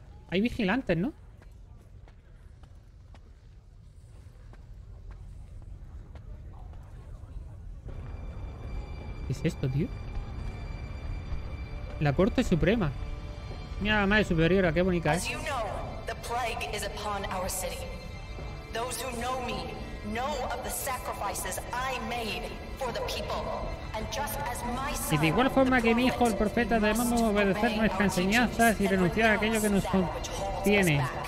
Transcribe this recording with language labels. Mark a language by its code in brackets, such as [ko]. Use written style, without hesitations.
[es] Hay vigilantes, ¿no? ¿Qué es esto, tío? La Corte Suprema. Mira la madre superiora, qué bonita, ¿eh? [en] You know, the plague is upon our city. Those who know me know of the sacrifices I made for the people. And just as my son, [es] y de igual forma que mi hijo, el profeta, debemos obedecer nuestras enseñanzas y renunciar a aquello que nos contiene.